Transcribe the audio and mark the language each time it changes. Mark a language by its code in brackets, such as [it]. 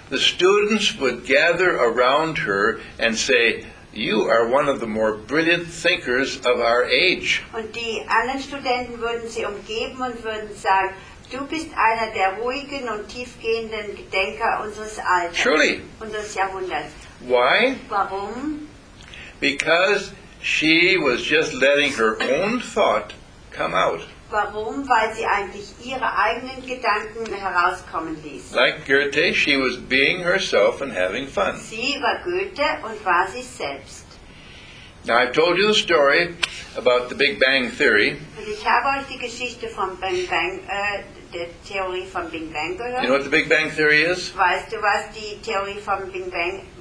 [en] The students would gather around her and say, you are one of the more brilliant thinkers of our age. [de] Und die anderen Studenten würden sie umgeben und würden sagen, du bist einer der ruhigen und tiefgehenden Denker unseres Alters. [en] Truly. [de] Unseres Jahrhunderts. [en] Why? [de] Warum? [en] Because she was just letting her own thought come out. [de] Warum? Weil sie eigentlich ihre eigenen Gedanken herauskommen ließ. [en] Like Goethe, she was being herself and having fun. [de] Sie war Goethe und war sich selbst. [en] Now I've told you the story about the Big Bang Theory. [de] Und ich habe euch die Geschichte von Big Bang, der Theorie von Big Bang gehört. [en] You know what the Big Bang Theory is? [de] Weißt du, was die Theorie von Big Bang?